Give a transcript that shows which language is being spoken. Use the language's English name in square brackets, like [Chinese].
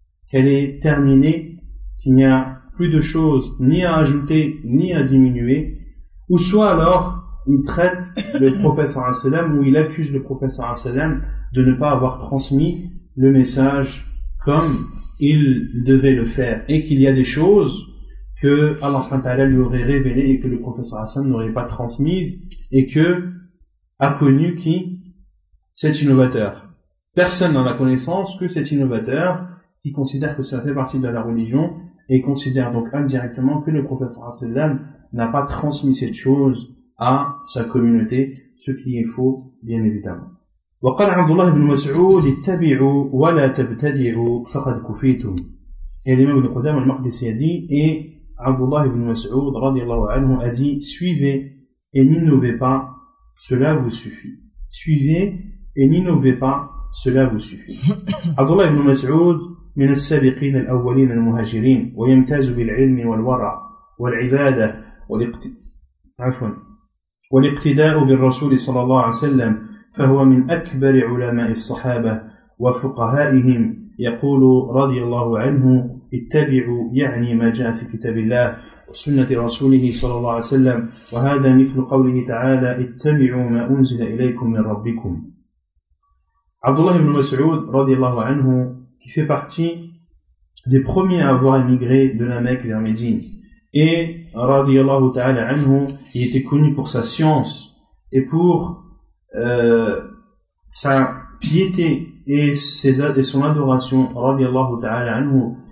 [French] qu'elle est terminée, qu'il n'y a plus de choses ni à ajouter ni à diminuer, ou soit alors il traite le prophète sallallahu alayhi wa sallam ou il accuse le prophète sallallahu alayhi wa sallam de ne pas avoir transmis le message comme il devait le faire et qu'il y a des choses que Allah Ta'ala lui aurait révélé et que le prophète Hassan n'aurait pas transmise et que a connu qui cet innovateur. Personne n'en a connaissance que cet innovateur qui considère que cela fait partie de la religion et considère donc indirectement que le prophète Hassan n'a pas transmis cette chose à sa communauté, ce qui est faux bien évidemment. [Arabic] وقال عبد الله بن مسعود اتبعوا ولا تبتدعوا فقد كفيتم. [French] Et l'imam ibn Qudam al-Maqdisi a dit, et Abdullah ibn Mas'ud radiallahu anhu a dit, suivez et n'innovez pas, cela vous suffit. Suivez et n'innovez pas, cela vous suffit. [Arabic] Abdullah ibn Mas'ud, من السابقين الأولين المهاجرين ويمتاز بالعلم والورع والعبادة والاقتداء بالرسول صلى الله عليه وسلم فهو من أكبر علماء الصحابة وفقهائهم يقول رضي الله عنه اتبعوا يعني ما جاء في كتاب الله وسنة رسوله صلى الله عليه وسلم وهذا مثل قوله تعالى اتبعوا ما أنزل إليكم من ربكم. [French] عبد الله بن مسعود [Arabic] رضي الله عنه [French] qui fait partie des premiers à avoir émigré de la Mecque vers Médine, et [Arabic] رضي الله تعالى عنه [French] il était connu pour sa science et pour sa piété et son adoration, [Arabic] radiallahu ta'ala anhu.